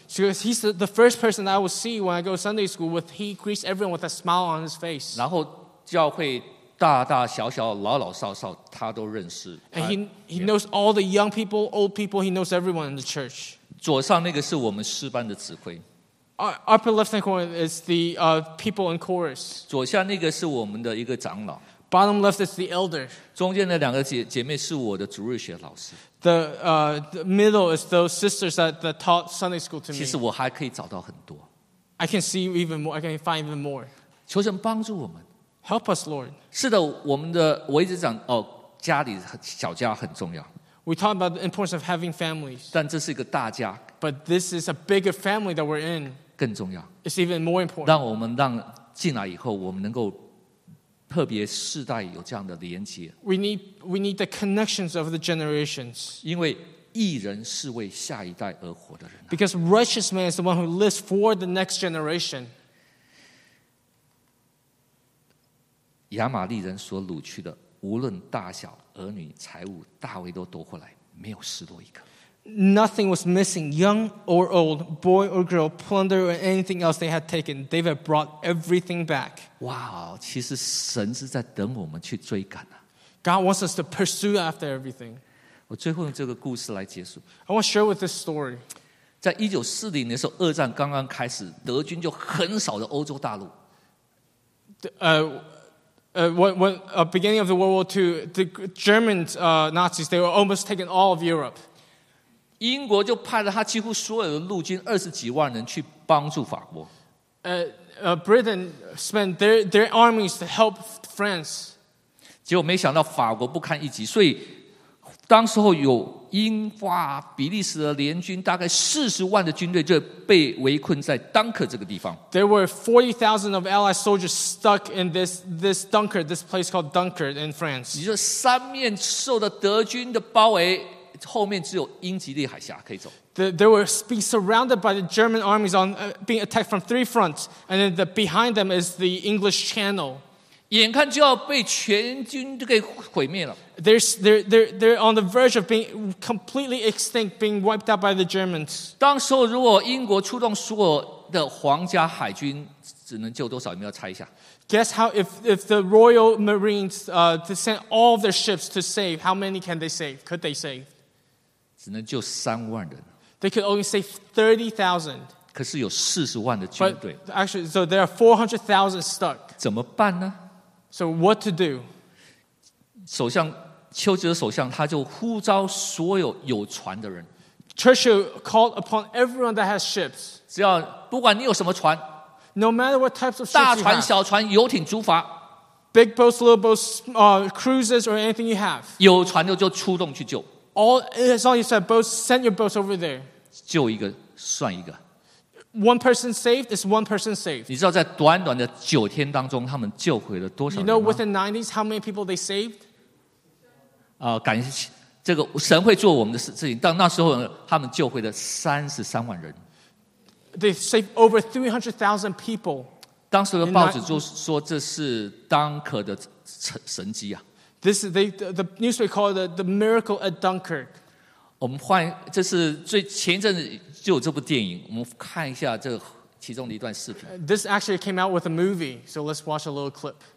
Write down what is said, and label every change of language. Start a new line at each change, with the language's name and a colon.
English: Because he's the first person that I will see when I go to Sunday school with he greets everyone with a smile on his face.
Chinese: 然后教会大大小小老老少少他都认识。
English: And he knows all the young people, old people, he knows everyone in the church.
Chinese: 左上那个是我们诗班的指挥。
English: Upper left hand corner is the people in chorus.
Chinese: 左下那个是我们的一个长老。
English: Bottom left is the elder.
Chinese: 中间的两个姐妹是我的主日学老师。
English: The middle is those sisters that taught Sunday school to me.
Chinese: 其实我还可以找到很多。
English: I can see even more, I can find even more.
Chinese: 求神帮助我们。
English: Help us, Lord.
Chinese: 是的，我们的我一直讲哦，家里小家很重要。
English: We talk about the importance of having families.
Chinese: 但这是一个大家。
English: But this is a bigger family that we're in.
Chinese: 更重要。
English: It's even more important.
Chinese: 让我们让进来以后，我们能够特别世代有这样的连接。
English: We need the connections of the generations.
Chinese: 因为义人是为下一代而活的人。
English: Because righteous man is the one who lives for the next generation.
Chinese: 亚玛利人所掳去的，无论大小、儿女、财物，大卫都夺回来，没有失落一个。
English: Nothing was missing, young or old, boy or girl, plunder or anything else they had taken. David brought everything back.
Chinese: Wow, 其实神是在等我们去追赶啊。
English: God wants us to pursue after everything.
Chinese: 我最后用这个故事来结束。
English: I want to share with this story.
Chinese: 在1940年的时候，二战刚刚开始，德军就横扫了欧洲大陆。
English: Beginning of the World War II, the Germans, Nazis, they were almost taken all of Europe.
Chinese: 英国就派了他几乎所有的陆军20几万人去帮助法国。
English: Britain spent their armies to help France.
Chinese: 结果没想到法国不堪一击，所以当时候有英法比利时的联军大概40万的军队就被围困在敦刻这个地方。
English: There were 40,000 of Allied soldiers stuck in this Dunkirk, this place called Dunkirk in France.
Chinese: 你说三面受到德军的包围，后面只有英吉利海峡可以走。
English: They were being surrounded by the German armies on being attacked from three fronts, and then behind them is the English Channel.
Chinese: 眼看就要被全军给毁灭了。
English: They're on the verge of being completely extinct, being wiped out by the Germans.
Chinese: 当时如果英国出动所有的皇家海军，只能救多少？你们要猜一下。
English: Guess how if the Royal Marines to send all their ships to save, how many can they save? Could they save?
Chinese: 只能救30,000人。
English: They could only save 30,000.
Chinese: 可是有400,000的军队。
English: But actually, so there are 400,000 stuck.
Chinese: 怎么办呢？
English: So what to do?
Chinese: 首相丘吉尔首相他就呼召所有有船的人。
English: Churchill called upon everyone that has ships.
Chinese: 只要不管你有什么船。
English: No matter what types of ships
Chinese: 大船小船游艇诸筏。
English: Big boats, little boats, cruises or anything you have.
Chinese: 有船就出动去救。
English: All as long as you said, boats, send your boats over there.
Chinese: 救一个算一个。
English: One person saved is one person saved.
Chinese: 你知道在短短的九天当中，他们救回了多少人吗？
English: You know within 90s, how many people they saved?
Chinese: 感谢这个神会做我们的事情。但那时候他们救回了33,000人。
English: They saved over 300,000 people.
Chinese: 当时的报纸就说这是当可的神迹啊。
English: This is the newspaper called the miracle at Dunkirk.
Chinese: 我们换，这是最前一阵子就有这部电影。我们看一下这其中的一段视频。
English: This actually came out with a movie, so let's watch a little clip.